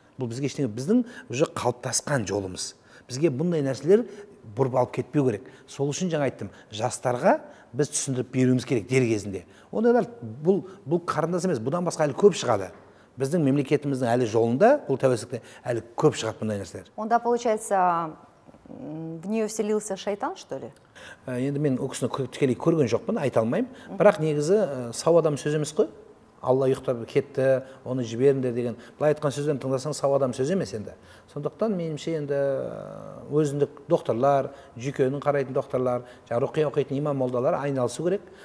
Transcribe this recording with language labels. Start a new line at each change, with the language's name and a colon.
Kazakh: Бұл бізге ештеңе, біздің уже қалыптасқан жолымыз. Бізге бұндай нәрселер бұрып алып кетпеу керек. Сол үшін жаңа айттым, жастарға біз түсіндіріп беруіміз керек дер кезінде. Ондайлар бұл қарындас емес, бұдан басқа әлі көп шығады. Біздің мемлекетіміздің әлі жолында, бұл тәуелсіздікте әлі көп шығады бұндай нәрселер.
Russian: Онда получается, в нее вселился шайтан, что ли?
Kazakh: Енді мен ол кісіні тікелей көрген жоқпын, айта алмаймын. Бірақ негізі сау адам сөз емес қой. Алла ұйықтап кетті, оны жіберіңдер деген. Былай айтқан сөздерін тыңдасаң, сау адам сөз емес енді. Сондықтан меніңше енді өзіндік докторлар, жүйкенің қарайтын докторлар, рухия оқитын имам молдалар айналысу керек.